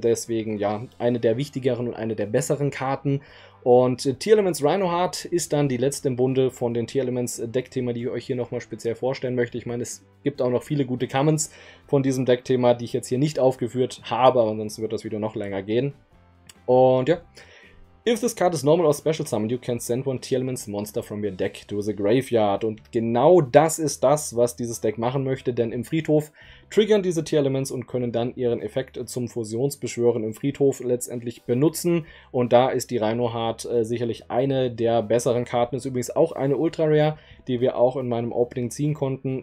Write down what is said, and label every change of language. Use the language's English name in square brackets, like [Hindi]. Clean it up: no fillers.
[German] Deswegen, ja, eine der wichtigeren und eine der besseren Karten. Und Tier-Elements Rhinoheart ist dann die letzte im Bunde von den Tier-Elements-Deck-Thema, die ich euch hier nochmal speziell vorstellen möchte. Ich meine, es gibt auch noch viele gute Comments von diesem Deck-Thema, die ich jetzt hier nicht aufgeführt habe, aber sonst wird das Video noch länger gehen. Und ja, [English] if this card is normal or special summoned, you can send one Tier-Elements Monster from your deck to the graveyard. [German] Und genau das ist das, was dieses Deck machen möchte, denn im Friedhof triggern diese Tier-Elements und können dann ihren Effekt zum Fusionsbeschwören im Friedhof letztendlich benutzen. Und da ist die Rhinoheart sicherlich eine der besseren Karten. Ist übrigens auch eine Ultra-Rare, die wir auch in meinem Opening ziehen konnten.